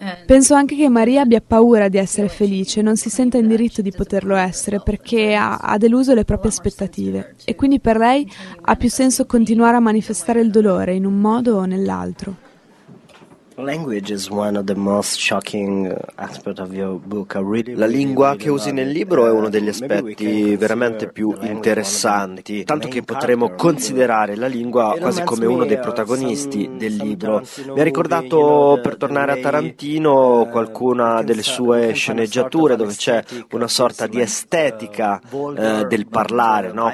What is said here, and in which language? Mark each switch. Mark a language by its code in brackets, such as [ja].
[it] Penso anche che Maria abbia paura di essere felice, non si senta in diritto di poterlo essere perché ha deluso le proprie aspettative e quindi per lei ha più senso continuare a manifestare il dolore in un modo o nell'altro. [en] Language is one of the most shocking aspects of your book. [it] La lingua che usi nel libro è uno degli aspetti veramente più interessanti, tanto che potremmo considerare la lingua quasi come uno dei protagonisti del libro. Mi ha ricordato, per tornare a Tarantino, qualcuna delle sue sceneggiature dove c'è una sorta di estetica del parlare, no?